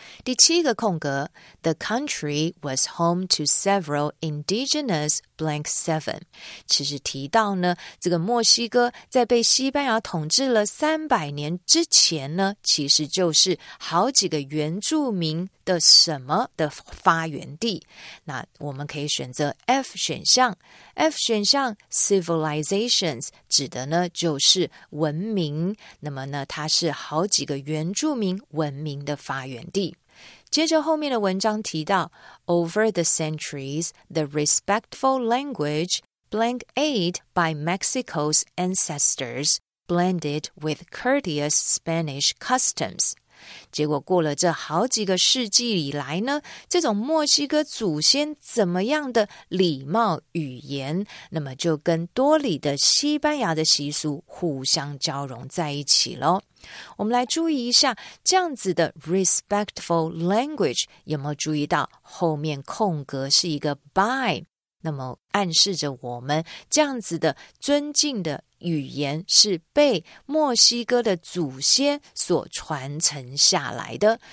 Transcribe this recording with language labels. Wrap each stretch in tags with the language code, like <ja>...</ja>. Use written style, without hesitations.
<zh>第七个空格</zh> <en>，The country was home to several indigenous blank seven。</en> <zh>其实提到呢，这个墨西哥在被西班牙统治了300年之前呢，其实就是好几个原住民的什么的发源地。那我们可以选择 F 选项 ，F 选项 civilizations 指的呢就是文明。那么呢，它是好几个原住民文明的发源地。接着后面的文章提到</zh> <en>，Over the centuries, the respectful language blank eight by Mexico's ancestors blended with courteous Spanish customs.</en> <zh>结果过了这好几个世纪以来呢，这种墨西哥祖先怎么样的礼貌语言，那么就跟多里的西班牙的习俗互相交融在一起喽。我们来注意一下这样子的 respectful language， 有没有注意到后面空格是一个 by， 那么暗示着我们这样子的尊敬的语言是被墨西哥的祖先所传承下来的。</zh>